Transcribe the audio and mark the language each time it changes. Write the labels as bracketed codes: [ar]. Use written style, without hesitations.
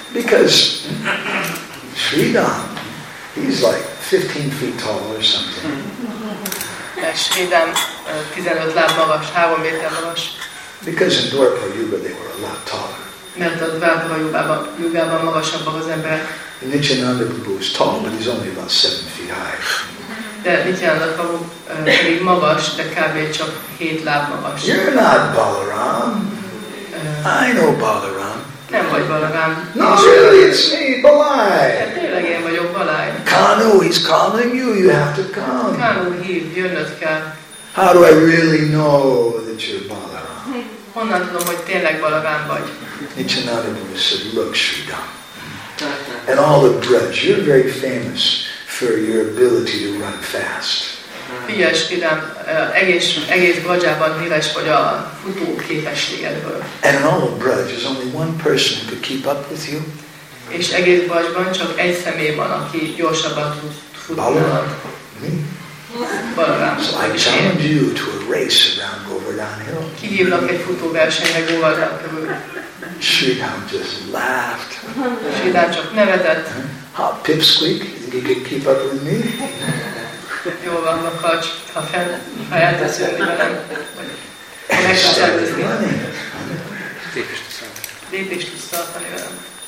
[en] Because Sridhar, he's like 15 feet tall or something. [hu] Sridhar 15 láb magas, 3 méter magas. [en] Because in Dwarpar Yuga they were a lot taller. [hu] Mert a Dwarpar Yugában magasabbak az emberek. [en] Nityananda Prabhu is tall, but he's only about 7 feet high. [hu] De Nityananda Prabhu pedig magas, de kb. Csak 7 láb magas. [en] You're not Balaram. I know Balaram. [hu] Nem vagy Balaram. [en] Not really, it's me, Balai. [hu] Tényleg én vagyok Balai. [en] Kanu, he's calling you, you have to come. [hu] Kanu hív, jönnöd kell. [en] How do I really know that you're Balaram? [hu] Honnan tudom, hogy tényleg Balaram vagy? [en] Nityananda Prabhu said, look, Sridhar. And all the dreads, you're very famous for your ability to run fast. [hu] Figyelj, Sridhar, egész Brajában híres vagy a futó képességedből. [en] And in all the dreads, there's only one person who could keep up with you. [hu] És egész Brajban csak egy személy van, aki gyorsabban tud futni. Balaram. [en] So I challenge you to a race around Govardhan Hill. [hu] Kihívlak egy futóversenyre Govardhan körül. [en] Sridhar just laughed. [hu] Sridhar csak nevetett. [en] How pipsqueak, you can keep up with me? [hu] Jól van, lakacs, ha fel teszülni velem. [en] And he started running. [hu] Lépést tudsz tartani velem.